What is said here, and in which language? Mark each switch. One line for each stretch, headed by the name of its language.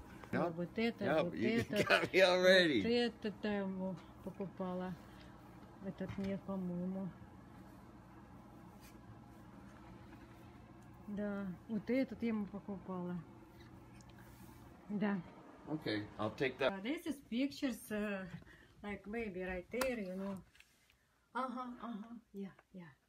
English: Yep.
Russian: Вот это,
English: yep.
Russian: вот
English: you
Russian: это.
English: Got me already.
Russian: Вот это я ему покупала. Этот мне, по-моему. Да, вот этот я ему покупала. Да.
English: Okay, I'll take that. This is pictures, like maybe right there, you know. Ага, ага, yeah, yeah.